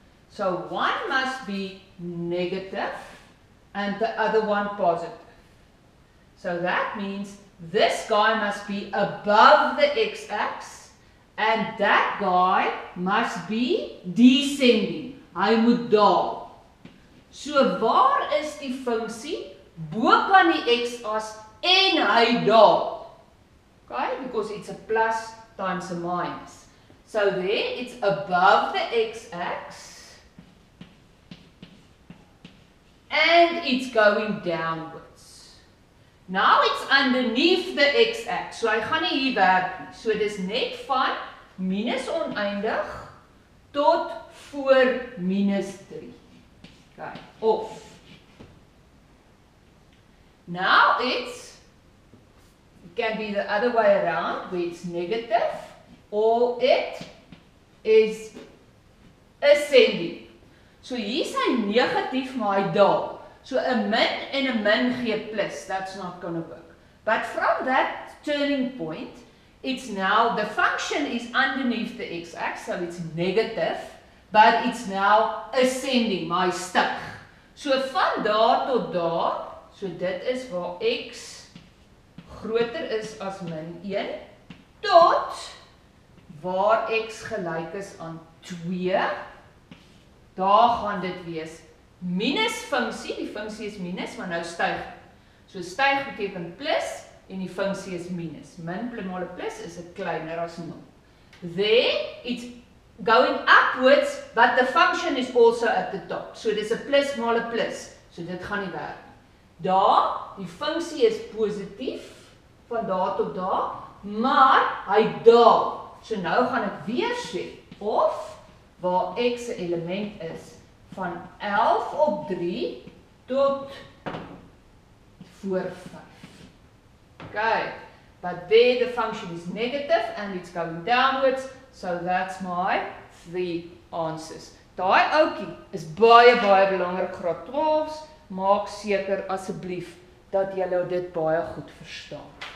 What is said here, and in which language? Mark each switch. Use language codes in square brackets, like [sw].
[en] So one must be negative and the other one positive. So that means this guy must be above the x-axis and that guy must be descending. [af] Hy moet daal. So waar is die funksie? Boop aan die x-as en hy daal. [en] Okay, because it's a plus times a minus. So there, it's above the x-axis and it's going downwards. Now it's underneath the x-axis, so [af] hy gaan nie hier werk nie. So dit is net van minus oneindig tot voor minus 3. Okay, of. [en] Now it's, it can be the other way around, where it's negative, or it is ascending. [af] So hier is hy negatief, maar hy daal. So a min en a min gee plus. [en] That's not going to work. But from that turning point, it's now, the function is underneath the x-axis, so it's negative, but it's now ascending, my stuk. [af] So van daar tot daar, so dit is waar x groter is as min 1, tot waar x gelyk is aan 2, daar gaan dit wees minus funksie, die funksie is minus, maar nou styg. So styg beteken plus, en die funksie is minus. Min maal plus is het kleiner as 0. [en] Then, it's going upwards, but the function is also at the top. [af] So dit is a plus maal plus, so dit gaan nie werk. Daar, die funksie is positief, van daar tot daar, maar hy daal. So nou gaan ek weer sê, of waar x element is, van 11 op 3 tot voor 5. [en] Okay, but there the function is negative and it's going downwards, so that's my 3 answers. [af] Daai ookie is baie, baie belangrik graad 12's, maak seker asseblief dat julle dit baie goed verstaan.